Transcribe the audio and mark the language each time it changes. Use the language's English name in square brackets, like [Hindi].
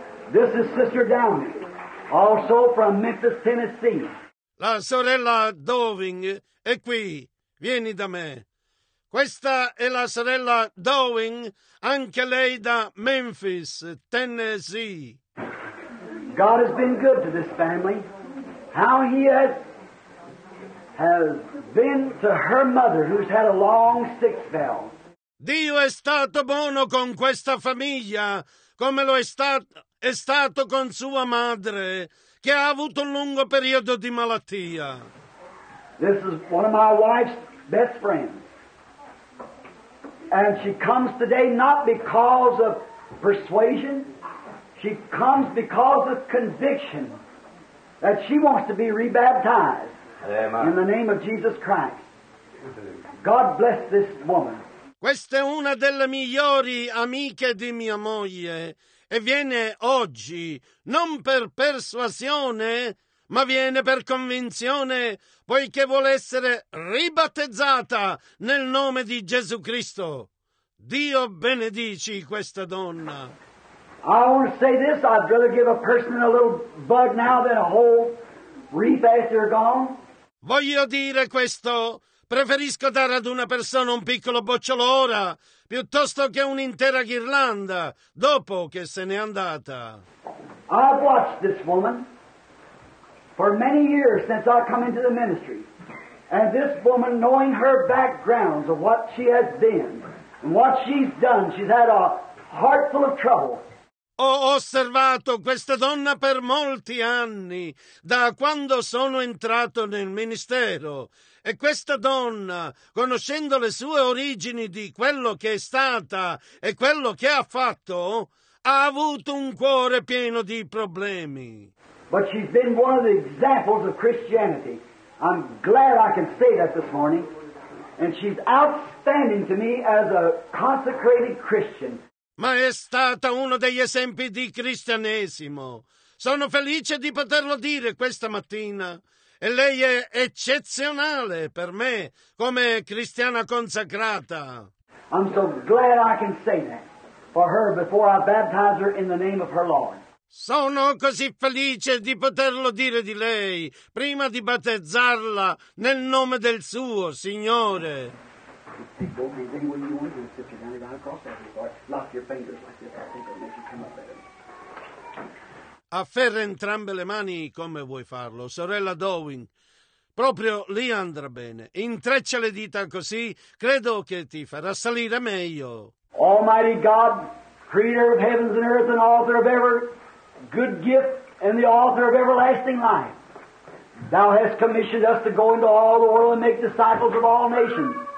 [English] This is Sister Downing, also from Memphis, Tennessee. [Italian] La sorella Downing è qui. Vieni da me. Questa è la sorella Downing, anche lei da Memphis, Tennessee. [English] God has been good to this family. How he has been to her mother, who's had a long sick spell. [Italian] Dio è stato buono con questa famiglia, come lo è stato con sua madre, che ha avuto un lungo periodo di malattia. [English] This is one of my wife's best friends. And she comes today not because of persuasion. She comes because of conviction that she wants to be rebaptized. Amen. In the name of Jesus Christ. God bless this woman. [Italian] Questa è una delle migliori amiche di mia moglie e viene oggi non per persuasione, ma viene per convinzione, poiché vuole essere ribattezzata nel nome di Gesù Cristo. Dio benedici questa donna. [English] I want to say this, I'd rather give a person a little bug now than a whole reef after they're gone. [Italian] Voglio dire questo, preferisco dare ad una persona un piccolo bocciolo ora, piuttosto che un'intera ghirlanda, dopo che se n'è andata. [English] I've watched this woman for many years since I come into the ministry. And this woman, knowing her background of what she has been and what she's done, she's had a heart full of trouble. [Italian] Ho osservato questa donna per molti anni, da quando sono entrato nel ministero. E questa donna, conoscendo le sue origini di quello che è stata e quello che ha fatto, ha avuto un cuore pieno di problemi. [English] But she's been one of the examples of Christianity. I'm glad I can say that this morning. And she's outstanding to me as a consecrated Christian. [Italian] Ma è stata uno degli esempi di cristianesimo. Sono felice di poterlo dire questa mattina. E lei è eccezionale per me come cristiana consacrata. [English] I'm so glad I can say that for her before I baptize her in the name of her Lord. [Italian] Sono così felice di poterlo dire di lei, prima di battezzarla nel nome del suo Signore. Afferra entrambe le mani come vuoi farlo, sorella Dowing. Proprio lì andrà bene. Intreccia le dita così, credo che ti farà salire meglio. [English] Almighty God, creator of heavens and earth and author of ever good gift and the author of everlasting life. Thou hast commissioned us to go into all the world and make disciples of all nations.